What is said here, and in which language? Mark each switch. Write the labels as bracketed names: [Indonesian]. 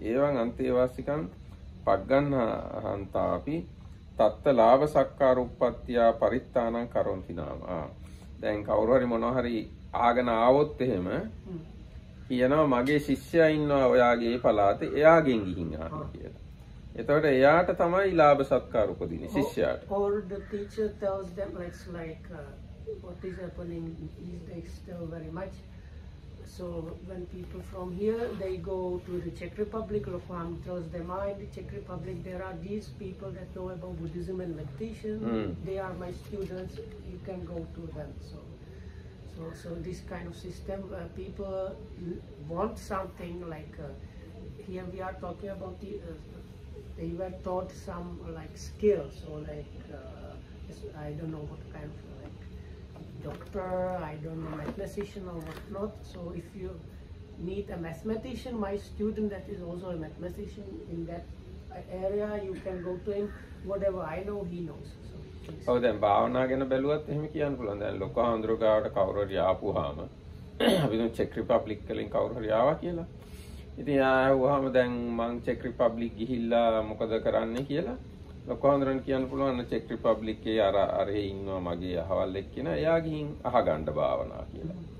[Pali] එවන් අන්තේවාසිකං පග්ගන්නහන්තාපි තත්ත ලාභ සක්කාර උප්පත්තියා පරිත්තානං කරොන්ති නාම. [Sinhala] දැන් කවුරු හරි මොනවා හරි ආගෙන ආවොත් එහෙම කියනවා මගේ ශිෂ්‍යයා ඉන්නවා ඔයාගේ පළාතේ එයාගෙන් ගිහින් ආන කියලා. එතකොට එයාට තමයි ලාභ සක්කාර උපදින්නේ ශිෂ්‍යයාට. [English] Or the teacher tells them like what is happening is they still very much. So when people from here they go to the Czech Republic, Lofan tells them, ah, in the Czech Republic there are these people that know about Buddhism and meditation. Mm. They are my students. You can go to them. So this kind of system, people want something like here we are talking about the they were taught some like skills or like I don't know what kind of. Doctor, I don't know, mathematician or what not. So if you need a mathematician, my student that is also a mathematician in that area, you can go to him. Whatever I know, he knows. So [Sinhala] oh, then භාවනා ගැන බැලුවත් එහෙම කියන්න පුළුවන්. දැන් ලොකු ආන්දරගාවට කවුරු හරි ආපුවාම අපි දැන් චෙක් රිපබ්ලික් වලින් කවුරු හරි ආවා කියලා. ඉතින් ආවම දැන් මං චෙක් රිපබ්ලික් ගිහිල්ලා මොකද කරන්නේ කියලා ලොකෝන්දරන් කියන්න පුළුවන් චෙක් රිපබ්ලික්කේ අර අරේ ඉන්නවා මගේ අහවල් එක්කන එයා ගිහින් අහගන්න භාවනා කියලා.